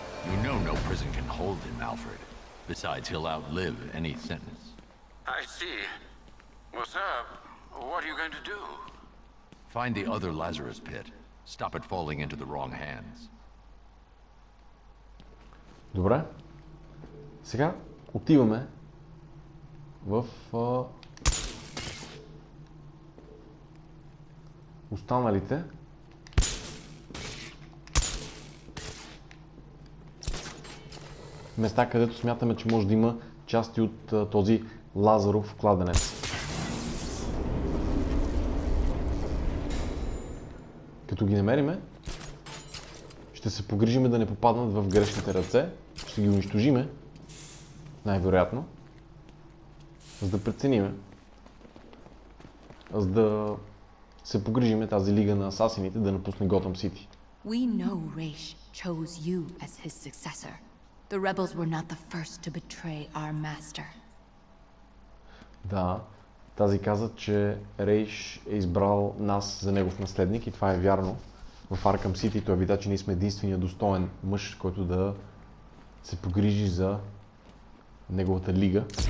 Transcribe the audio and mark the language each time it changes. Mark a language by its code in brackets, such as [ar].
[en] You know no prison can hold him, Alfred. Besides, he'll outlive any sentence. I see. Well, sir, what are you going to do? Find the other Lazarus pit. Stop it falling into the wrong hands. [bg] Добре. Сега отиваме в останалите. Места, където смятаме, че може да има части от този Лазаров кладенец. Като ги намериме, ще се погрижиме да не попаднат в грешните ръце. Ще ги унищожиме, най-вероятно. За да прецениме. За да се погрижиме тази Лига на асасините да напусне Готъм Сити. [en] We know Ra's chose you as his successor. The rebels were not the first to betray our master. [bg] Да, тази каза, че Ra's е избрал нас за негов наследник и това е вярно. В Arkham City той видя, че ние сме единствения достоен мъж, който да се погрижи за неговата Лига.